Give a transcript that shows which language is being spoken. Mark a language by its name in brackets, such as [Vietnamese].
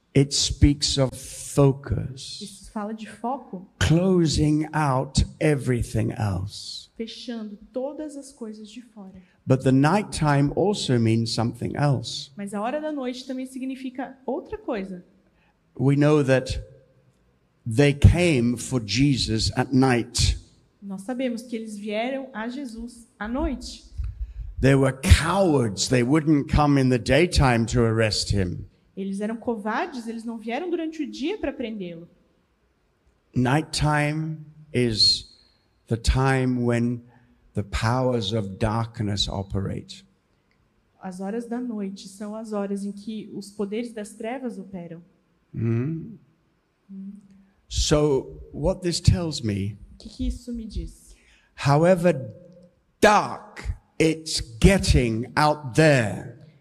[English] It speaks of focus. [Portuguese] Isso fala de foco. [English] Closing out everything else. [Portuguese] Fechando todas as coisas de fora. [English] But the nighttime also means something else. [Portuguese] Mas a hora da noite também significa outra coisa. [English] We know that they came for Jesus at night. [Portuguese] Nós sabemos que eles vieram a Jesus à noite. [English] They were cowards. They wouldn't come in the daytime to arrest him. [Portuguese] Eles eram covardes, eles não vieram durante o dia para prendê-lo. [English] Nighttime is the time when the powers of darkness operate. [Portuguese] As horas da noite são as horas em que os poderes das trevas operam. [English] So what this tells me? [Portuguese] Que isso me diz? [English] However dark it's getting out there.